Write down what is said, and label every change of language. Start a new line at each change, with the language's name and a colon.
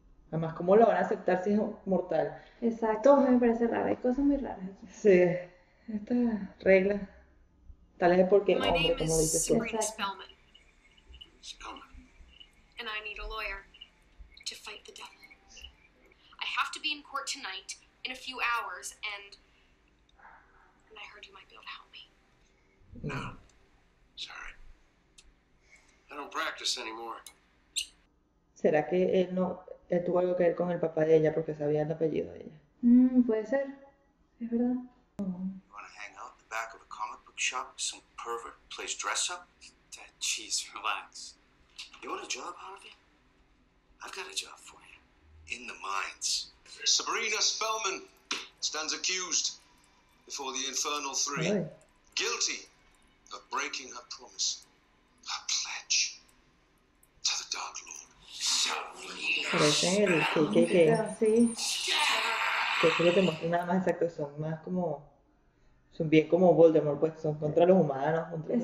Spanish: Además, ¿cómo lo van a aceptar si es mortal? Exacto, me parece raro. Hay cosas muy raras aquí. Sí. Esta regla. Tal vez es porque es hombre, como dice Sabrina. Spellman. Spellman.
English: And I need a lawyer to fight the devil. I have to be in court tonight in a few hours and I heard you might be able to help me. No. Sorry. I don't practice anymore.
Spanish: ¿Será que él no él tuvo algo que ver con el papá de ella porque sabía el apellido de ella? Puede ser. Es verdad.
English: You want to hang out in the back of a comic book shop? Some pervert plays dress up? Dad, jeez, relax. You want a job, Harvey? I've got a job for you. In the mines. Sabrina Spellman stands accused before the Infernal Three. Ay. Guilty. Of breaking her promise, her pledge to the Dark Lord.
Spanish: Parece el KKK. Sí. Que es lo que más, nada más exacto, son más como Son bien como Voldemort, pues, son contra los humanos, contra todo.